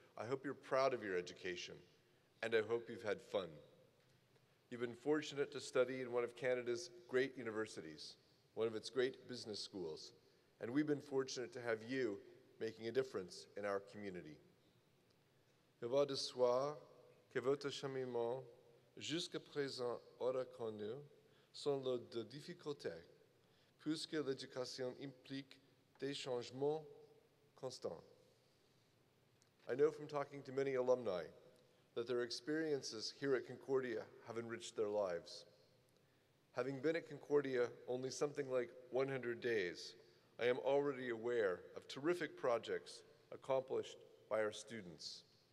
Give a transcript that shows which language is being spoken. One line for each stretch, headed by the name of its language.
English: I hope you're proud of your education, and I hope you've had fun. You've been fortunate to study in one of Canada's great universities, one of its great business schools, and we've been fortunate to have you making a difference in our community.
French: Il va de soi que votre cheminement jusqu'à présent aura connu sans l'eau de difficultés, puisque l'éducation implique des changements constants.
English: I know from talking to many alumni that their experiences here at Concordia have enriched their lives. Having been at Concordia only something like 100 days, I am already aware of terrific projects accomplished by our students.